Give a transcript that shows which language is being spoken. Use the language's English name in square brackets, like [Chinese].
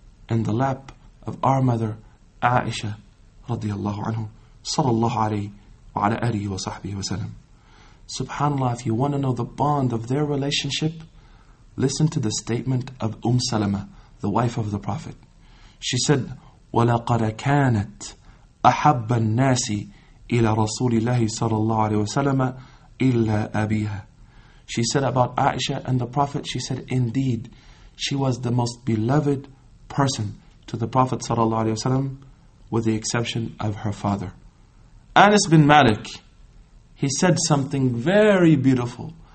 [English] in the lap of our mother Aisha radiallahu anhu, sallallahu alayhi wa ala alihi wa sahbihi wa sallam. Subhanallah, if you want to know the bond of their relationship, listen to the statement of Salama, the wife of the Prophet. She said, [Arabic] وَلَقَدْ كَانَتْ أَحَبَّ النَّاسِ إِلَى رَسُولِ اللَّهِ صَلَى اللَّهُ عَلَيْهِ وَسَلَمَ إِلَّا أَبِيهَا. [English] She said about Aisha and the Prophet, she said, indeed, she was the most beloved person to the Prophet sallallahu alayhi wasallam, with the exception of her father. Anas bin Malik, he said something very beautiful.